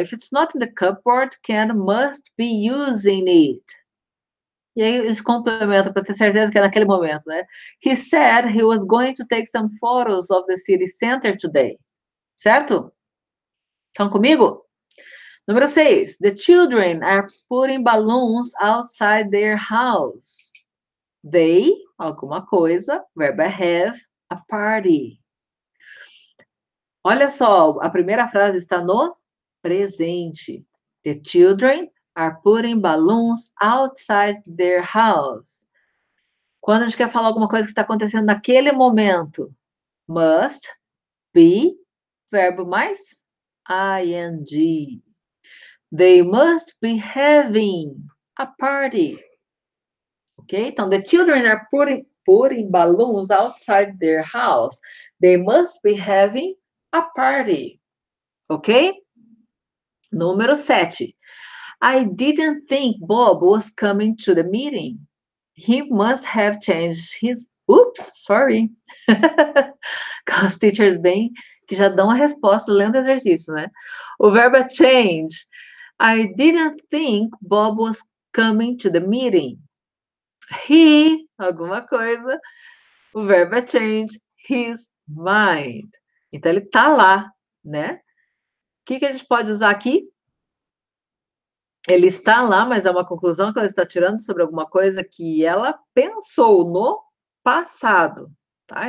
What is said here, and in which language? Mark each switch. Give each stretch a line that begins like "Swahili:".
English: If it's not in the cupboard, can must be using it.
Portuguese: E aí eles complementam para ter certeza que é naquele momento, né?
English: He said he was going to take some photos of the city center today.
Portuguese: Certo? Estão comigo? Número 6.
English: The children are putting balloons outside their house. They,
Portuguese: alguma coisa, verbo
English: have, a party.
Portuguese: Olha só, a primeira frase está no presente.
English: The children are putting balloons outside their house.
Portuguese: Quando a gente quer falar alguma coisa que está acontecendo naquele momento,
English: must be,
Portuguese: verbo mais ing.
English: They must be having a party. Ok?
Portuguese: Então,
English: the children are putting balloons outside their house. They must be having a party. Ok?
Portuguese: Número 7.
English: I didn't think Bob was coming to the meeting. He must have changed his... Oops, sorry.
Portuguese: Os teachers bem que já dão a resposta lendo o exercício, né? O verbo é change.
English: I didn't think Bob was coming to the meeting.
Portuguese: He, alguma coisa, o verbo é
English: change his mind.
Portuguese: Então, ele tá lá, né? que a gente pode usar aqui? Ele está lá, mas é uma conclusão que ela está tirando sobre alguma coisa que ela pensou no passado, tá?